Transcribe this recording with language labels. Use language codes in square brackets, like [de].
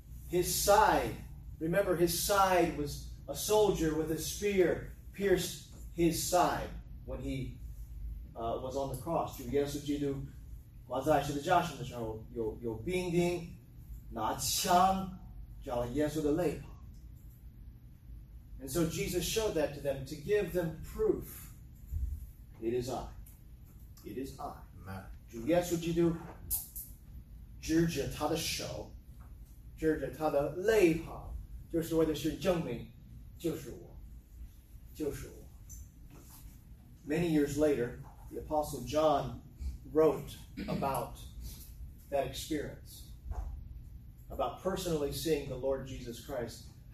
[en] His side, remember his side was a soldier with a spear pierced his side when he was on the cross. [zh] 主耶稣基督挂在十字架上的时候，有兵丁拿枪照耶稣的肋旁。 [en] And so Jesus showed that to them to give them proof. It is I. It is I. [zh] 主耶稣基督指着他的手，指着他的肋旁，就是为的是证明。就是我。 [en] Many years later, the Apostle John wrote about that experience, about personally seeing the Lord Jesus Christ.